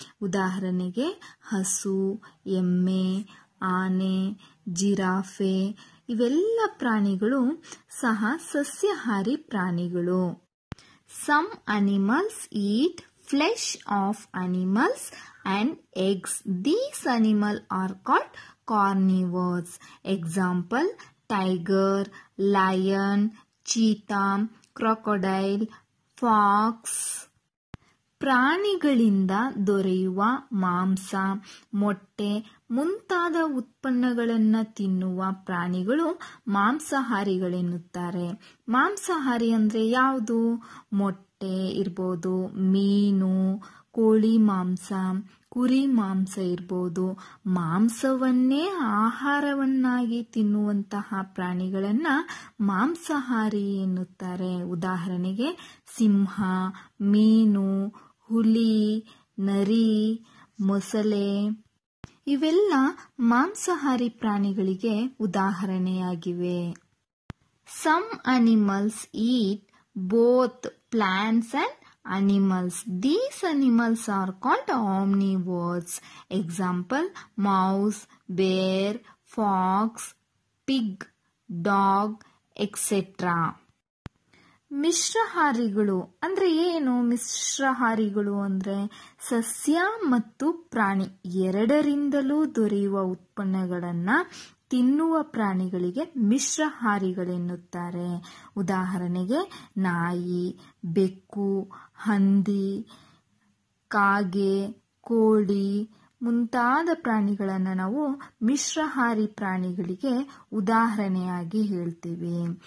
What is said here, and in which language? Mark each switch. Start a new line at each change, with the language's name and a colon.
Kannada: ಉದಾಹರಣೆಗೆ ಹಸು, ಎಮ್ಮೆ, ಆನೆ, ಜಿರಾಫೆ ಇವೆಲ್ಲ ಪ್ರಾಣಿಗಳು ಸಹ ಸಸ್ಯಾಹಾರಿ ಪ್ರಾಣಿಗಳು.
English: Some animals eat flesh of animals and eggs. These animals are called carnivores. Example, tiger, lion, cheetah, crocodile, fox.
Kannada: ಪ್ರಾಣಿಗಳಿಂದ ದೊರೆಯುವ ಮಾಂಸ, ಮೊಟ್ಟೆ ಮುಂತಾದ ಉತ್ಪನ್ನಗಳನ್ನು ತಿನ್ನುವ ಪ್ರಾಣಿಗಳು ಮಾಂಸಾಹಾರಿಗಳೆನ್ನುತ್ತಾರೆ. ಮಾಂಸಾಹಾರಿ ಅಂದರೆ ಯಾವುದು? ಮೊಟ್ಟೆ ಇರ್ಬೋದು, ಮೀನು, ಕೋಳಿ ಮಾಂಸ, ಕುರಿ ಮಾಂಸ ಇರ್ಬೋದು. ಮಾಂಸವನ್ನೇ ಆಹಾರವನ್ನಾಗಿ ತಿನ್ನುವಂತಹ ಪ್ರಾಣಿಗಳನ್ನ ಮಾಂಸಾಹಾರಿ ಎನ್ನುತ್ತಾರೆ. ಉದಾಹರಣೆಗೆ ಸಿಂಹ, ಮೀನು, ಹುಲಿ, ನರಿ, ಮೊಸಳೆ ಇವೆಲ್ಲ ಮಾಂಸಾಹಾರಿ ಪ್ರಾಣಿಗಳಿಗೆ ಉದಾಹರಣೆಯಾಗಿವೆ.
English: Some animals eat both plants and animals. These animals are called omnivores. Example, mouse, bear, fox, pig, dog, etc.
Kannada: ಮಿಶ್ರಹಾರಿಗಳು ಅಂದ್ರೆ ಏನು? ಮಿಶ್ರಹಾರಿಗಳು ಅಂದ್ರೆ ಸಸ್ಯ ಮತ್ತು ಪ್ರಾಣಿ ಎರಡರಿಂದಲೂ ದೊರೆಯುವ ಉತ್ಪನ್ನಗಳನ್ನ ತಿನ್ನುವ ಪ್ರಾಣಿಗಳಿಗೆ ಮಿಶ್ರಹಾರಿಗಳೆನ್ನುತ್ತಾರೆ. ಉದಾಹರಣೆಗೆ ನಾಯಿ, ಬೆಕ್ಕು, ಹಂದಿ, ಕಾಗೆ, ಕೋಳಿ ಮುಂತಾದ ಪ್ರಾಣಿಗಳನ್ನು ನಾವು ಮಿಶ್ರಹಾರಿ ಪ್ರಾಣಿಗಳಿಗೆ ಉದಾಹರಣೆಯಾಗಿ ಹೇಳ್ತೀವಿ.